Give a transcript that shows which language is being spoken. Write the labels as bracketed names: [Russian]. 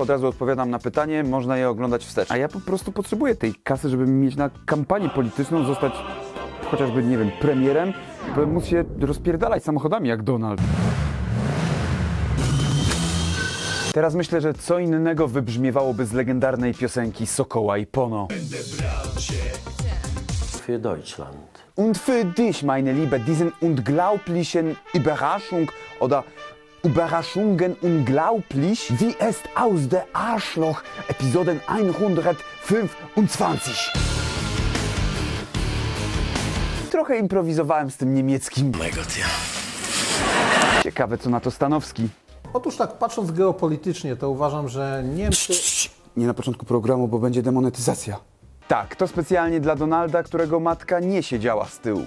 [Polish] Od razu odpowiadam na pytanie, można je oglądać wstecz. A ja po prostu potrzebuję tej kasy, żeby mieć na kampanię polityczną, zostać chociażby, nie wiem, premierem, by móc się rozpierdalać samochodami jak Donald. Teraz myślę, że co innego wybrzmiewałoby z legendarnej piosenki Sokoła i Pono. [German] Für Deutschland. Und für dich, meine Liebe, diesen unglaublichen Überraschung oder Überraschungen unglaublich, wie ist aus der Arschloch, Episoden 125. [Polish] Trochę improwizowałem z tym niemieckim. Ciekawe, co na to Stanowski. Otóż tak, patrząc geopolitycznie, to uważam, że Niemcy... Nie na początku programu, bo będzie demonetyzacja. Tak, to specjalnie dla Donalda, którego matka nie siedziała z tyłu.